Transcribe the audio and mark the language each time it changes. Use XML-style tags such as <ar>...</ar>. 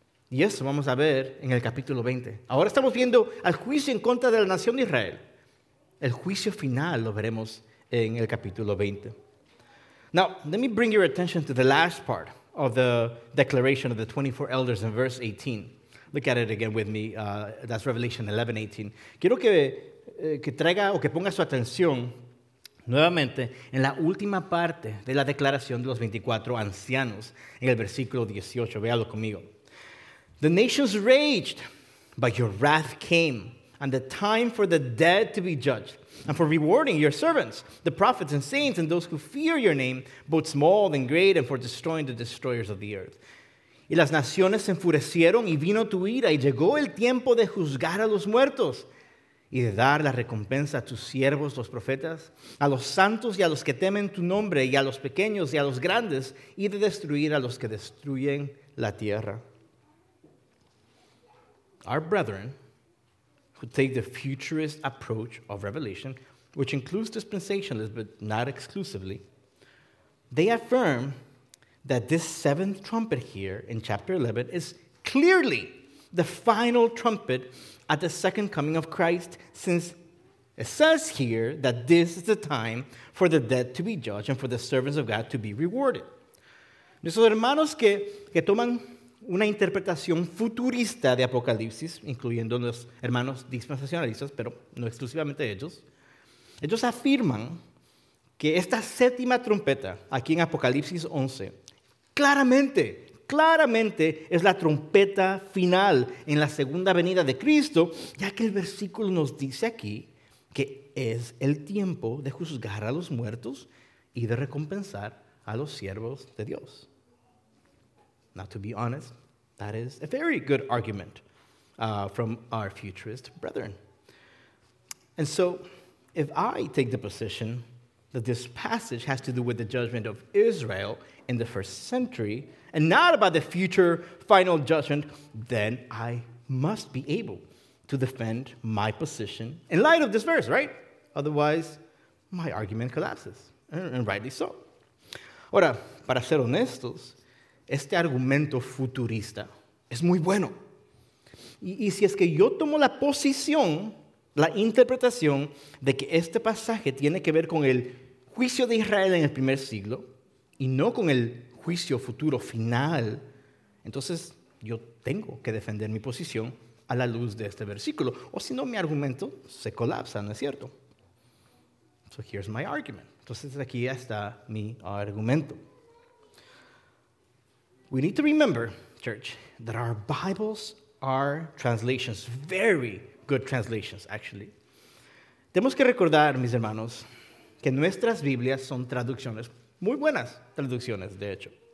<es>Y eso vamos a ver en el capítulo 20. Ahora estamos viendo al juicio en contra de la nación de Israel. El juicio final lo veremos en el capítulo 20.</es> <en>Now, let me bring your attention to the last part of the declaration of the 24 elders in verse 18. Look at it again with me. That's Revelation 11, 18.</en> <es>Quiero que traiga o que ponga su atención nuevamente en la última parte de la declaración de los 24 ancianos en el versículo 18. Véalo conmigo.</es> <en>The nations raged, but your wrath came, and the time for the dead to be judged, and for rewarding your servants, the prophets and saints, and those who fear your name, both small and great, and for destroying the destroyers of the earth.</en> <es>Y las naciones se enfurecieron, y vino tu ira, y llegó el tiempo de juzgar a los muertos, y de dar la recompensa a tus siervos, los profetas, a los santos y a los que temen tu nombre, y a los pequeños y a los grandes, y de destruir a los que destruyen la tierra.</es> <en>Our brethren, who take the futurist approach of Revelation, which includes dispensationalism but not exclusively, they affirm that this seventh trumpet here in chapter 11 is clearly the final trumpet at the second coming of Christ, since it says here that this is the time for the dead to be judged and for the servants of God to be rewarded.</en> <es>Nuestros hermanos que toman una interpretación futurista de Apocalipsis, incluyendo los hermanos dispensacionalistas, pero no exclusivamente ellos, ellos afirman que esta séptima trompeta, aquí en Apocalipsis 11, claramente, claramente es la trompeta final en la segunda venida de Cristo, ya que el versículo nos dice aquí que es el tiempo de juzgar a los muertos y de recompensar a los siervos de Dios.</es> <en>Now, to be honest, that is a very good argument from our futurist brethren. And so, if I take the position that this passage has to do with the judgment of Israel in the first century and not about the future final judgment, then I must be able to defend my position in light of this verse, right? Otherwise, my argument collapses, and rightly so.</en> <es>Ahora, para ser honestos, este argumento futurista es muy bueno. Y si es que yo tomo la posición, la interpretación de que este pasaje tiene que ver con el juicio de Israel en el primer siglo y no con el juicio futuro final, entonces yo tengo que defender mi posición a la luz de este versículo. O si no, mi argumento se colapsa, ¿no es cierto?</es> <en>So here's my argument.</en> <es>Entonces aquí está mi argumento.</es> <en>We need to remember, church, that our Bibles are translations, very good translations, actually.</en> <es>Tenemos que recordar, mis hermanos, que nuestras Biblias son traducciones, muy buenas traducciones, de hecho.</es>